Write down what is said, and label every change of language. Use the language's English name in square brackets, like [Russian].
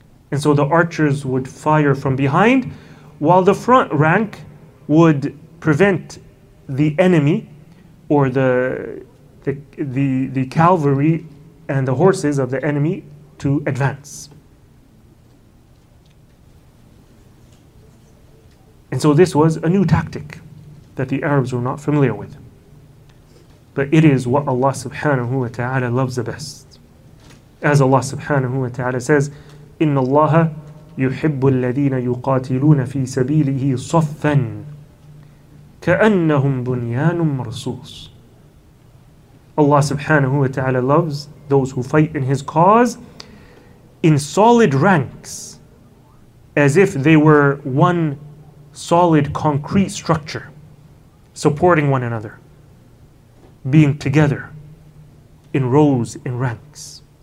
[English] And so the archers would fire from behind, while the front rank would prevent the enemy or the cavalry and the horses of the enemy to advance. And so this was a new tactic that the Arabs were not familiar with. But it is what Allah subhanahu wa ta'ala loves the best. As Allah subhanahu wa ta'ala says, [Arabic] إِنَّ اللَّهَ يُحِبُّ الَّذِينَ يُقَاتِلُونَ فِي سَبِيلِهِ صَفًّا كَأَنَّهُمْ بُنْيَانٌ مَرْصُوصٌ. [English] Allah subhanahu wa ta'ala loves those who fight in His cause in solid ranks, as if they were one solid concrete structure, supporting one another, being together in rows, in ranks.